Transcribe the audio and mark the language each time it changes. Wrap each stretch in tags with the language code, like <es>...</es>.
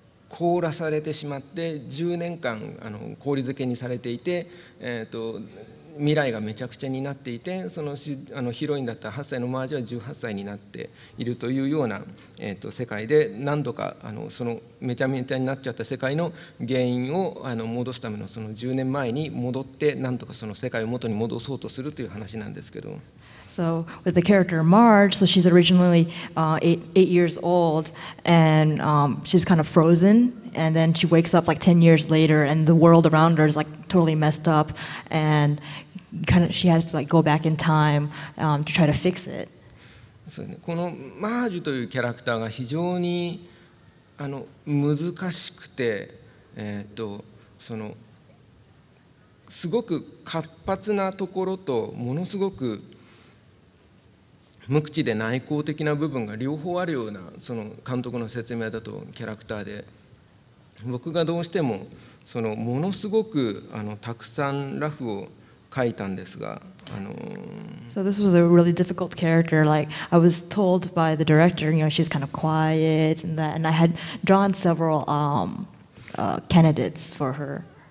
<ja>凍らされてしまって10年間氷漬けにされていて、未来がめちゃくちゃになっていて、ヒロインだった8歳のマージュは18歳になっているというような、世界で、何度かそのめちゃめちゃになっちゃった世界の原因を戻すため の, その10年前に戻って、何とかその世界を元に戻そうとするという話なんですけど。</ja> <en>So with the character Marge, so she's originally eight years old, and she's kind of frozen, and then she wakes up like 10 years later, and the world around her is like totally messed up, and kind of she has to like go back in time to try to fix it.</en> <ja>そうね。このマージュというキャラクターが非常に難しくて、そのすごく活発なところとものすごく無口で内向的な部分が両方あるような、その監督の説明だとキャラクターで、僕がどうしてもそのものすごくたくさんラフを書いたんですが、</ja> <en>So this was a really difficult character. Like I was told by the director, you know, she's kind of quiet and that, and I had drawn several candidates for her.</en>